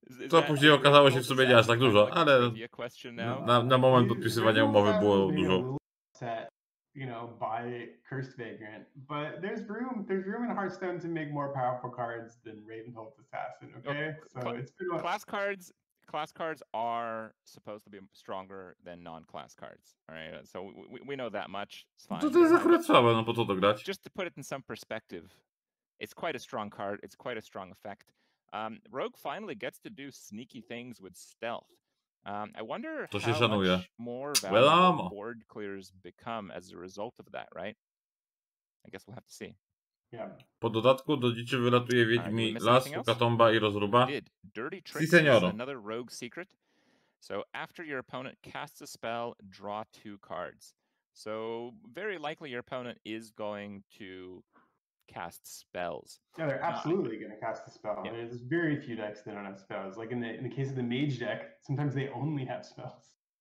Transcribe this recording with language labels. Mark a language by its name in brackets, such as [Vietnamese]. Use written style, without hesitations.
[Polish] To później okazało się w sumie nie aż tak dużo, ale na moment podpisywania umowy było dużo. [English] You know, by Cursed Vagrant, but there's room in Hearthstone to make more powerful cards than Ravenholt Assassin. Class cards are supposed to be stronger than non-class cards. All right, so we know that much. It's fine. [Polish] To to jest akurat słabe, no po to grać. [English] Just to put it in some perspective, it's quite a strong card. It's quite a strong effect. Rogue finally gets to do sneaky things with stealth. I wonder [Polish] to [English] how [Polish] szanuje. [English] Much more valuable board clears become as a result of that, right? I guess we'll have to see. Yeah. [Polish] Po dodatku do dziczy wylatuje wiedźmi las, katomba i rozruba. [English] Dirty Tricks is another rogue secret. So after your opponent casts a spell, draw two cards. So very likely your opponent is going to cast spells. Yeah, they're absolutely going to cast a spell. Yeah. There's very few decks that don't have spells. Like in the case of the mage deck, sometimes they only have spells.